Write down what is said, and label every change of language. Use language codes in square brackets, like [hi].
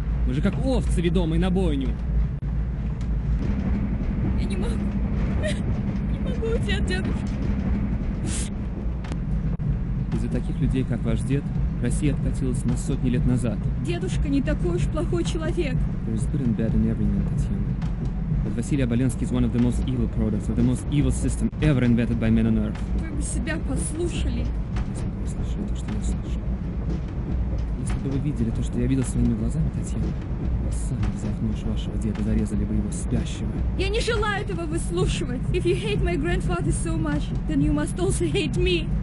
[ru] Мы же как овцы, ведомые на бойню. Я не могу. Не могу уйти от дедушки. Из-за таких людей, как ваш дед, Россия откатилась на сотни лет назад. Дедушка не такой уж плохой человек. [en] There is good and bad in every man, Татьяна. But Василий Оболенский is one of the most evil products of the most evil system ever invented by men on earth. [ru] Вы бы себя послушали. То, что я слышал. Если бы вы видели то, что я видел своими глазами, Татьяна, вы сами, взяв нож вашего деда, зарезали бы его спящего. Я не желаю этого выслушивать. [en] If you hate my grandfather so much, then you must also hate me.